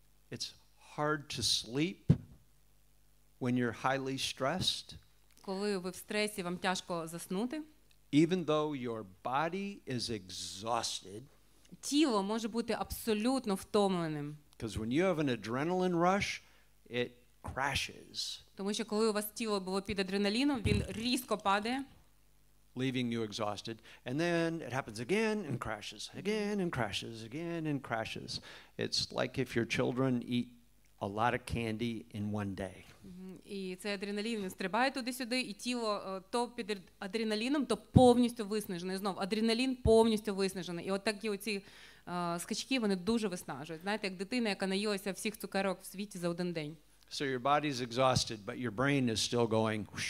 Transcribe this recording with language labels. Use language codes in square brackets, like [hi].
[en] It's hard to sleep when you're highly stressed. [uk] Коли ви в стресі, вам тяжко заснути. [en] Even though your body is exhausted. [uk] Тіло може бути абсолютно втомленим. [en] Because when you have an adrenaline rush, it crashes. [uk] Тому що коли у вас тіло було під адреналіном, він різко падає. [en] Leaving you exhausted. And then it happens again and crashes, again and crashes, again and crashes. It's like if your children eat a lot of candy in one day. [uk] І цей адреналін стрибає туди-сюди, і тіло то під адреналіном, то повністю виснажене. Знов, адреналін повністю виснажений. І от такі оці скачки, вони дуже виснажують. Знаєте, як дитина, яка наїлася всіх цукерок в світі за один день. [en] So your body's exhausted, but your brain is still going.